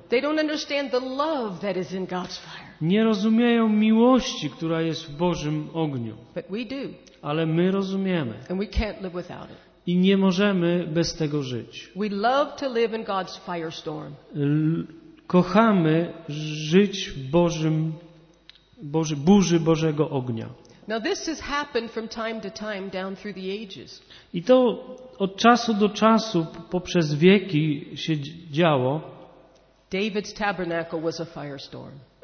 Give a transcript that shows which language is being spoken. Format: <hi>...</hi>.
<en>They don't understand the love that is in God's fire.</en> <pl>Nie rozumieją miłości, która jest w Bożym ogniu.</pl> <en>But we do.</en> <pl>Ale my rozumiemy.</pl> <en>And we can't live without it.</en> <pl>I nie możemy bez tego żyć.</pl> <en>We love to live in God's firestorm.</en> <pl>Kochamy żyć w Bożym burzy Bożego ognia.</pl> <en>Now this has happened from time to time down through the ages.</en> <pl>I to od czasu do czasu poprzez wieki się działo.</pl> <en>David's tabernacle was a firestorm.</en>